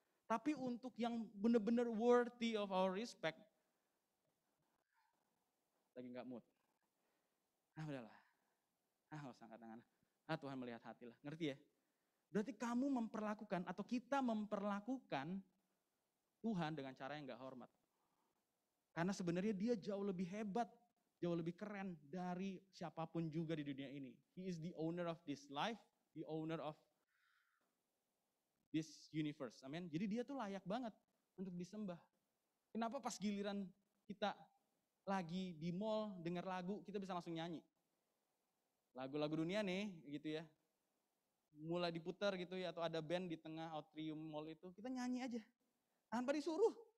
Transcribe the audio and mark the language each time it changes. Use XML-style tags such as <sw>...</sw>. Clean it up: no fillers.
<id>Tapi untuk yang benar-benar worthy of our respect, lagi gak mood. Udahlah. Gak usah angkat tangan. Ah, Tuhan melihat hati lah. Ngerti ya? Berarti kamu memperlakukan atau kita memperlakukan Tuhan dengan cara yang gak hormat. Karena sebenarnya dia jauh lebih hebat, jauh lebih keren dari siapapun juga di dunia ini.</id> <en>He is the owner of this life, the owner of this universe. Amen.</en> <id>Jadi dia tuh layak banget untuk disembah. Kenapa pas giliran kita lagi di mall dengar lagu, kita bisa langsung nyanyi? Lagu-lagu dunia nih, gitu ya. Mulai diputar gitu ya, atau ada band di tengah atrium mall itu, kita nyanyi aja. Tanpa disuruh.</id>